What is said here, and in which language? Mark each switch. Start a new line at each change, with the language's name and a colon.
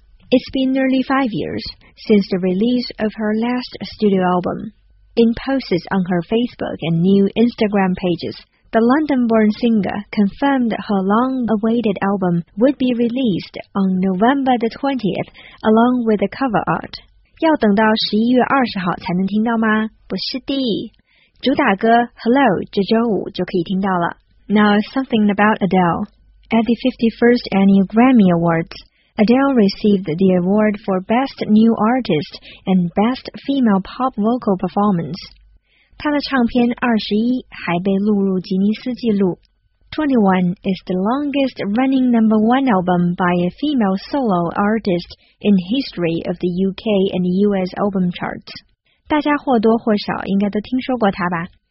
English: It's been nearly 5 years since the release of her last studio album. In posts on her Facebook and new Instagram pages, the London-born singer confirmed her long-awaited album would be released on November the 20th along with the cover art.
Chinese: 要等到11月20号才能听到吗？不是的。主打歌 Hello 这周五就可以听到了。
English: Now, something about Adele. At the 51st Annual Grammy Awards, Adele received the award for Best New Artist and Best Female Pop Vocal Performance.
Chinese: 她的唱片21还被录入吉尼斯纪录。
English: 21 is the longest running number one album by a female solo artist in history of the UK and US album charts.
Chinese: 大家或多或少应该都听说过她吧。